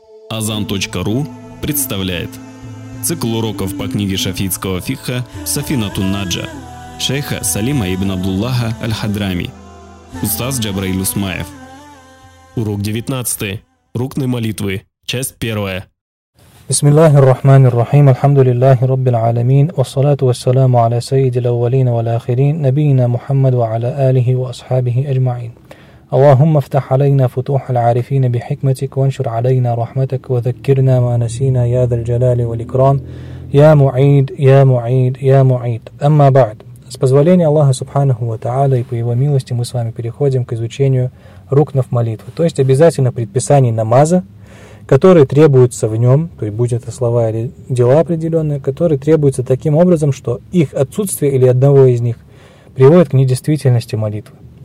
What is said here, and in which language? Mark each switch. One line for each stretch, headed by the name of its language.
Russian: Azan.ru представляет цикл уроков по книге шафиитского фикха Сафина Тунаджа шейха Салима ибн Абдуллаха Аль-Хадрами, устаз Джабраил Усмаев. Урок 19. Рукны молитвы. Часть 1.
Arabic: Бисмиллахир рахманир рахим. Алхамдулиллахи раббиль аламин. Вассалату вассаламу аля сайдил аввалина валь ахирин, набийина Мухаммаду аля алихи ва асхабихи аджмаин. اللهم افتح علينا فتوح العارفين بحكمتك وانشر علينا رحمتك وذكرنا ما نسينا يا ذا الجلال والإكرام يا معيد يا معيد يا معيد. أما بعد,
Russian: с позволения Аллаха Субханаху ва Тааля и по его милости мы с вами переходим к изучению рукнов молитвы, то есть обязательно предписаний намаза, которые требуются в нем, то есть будь это слова или дела определенные, которые требуются таким образом, что их отсутствие или одного из них приводит к недействительности молитвы.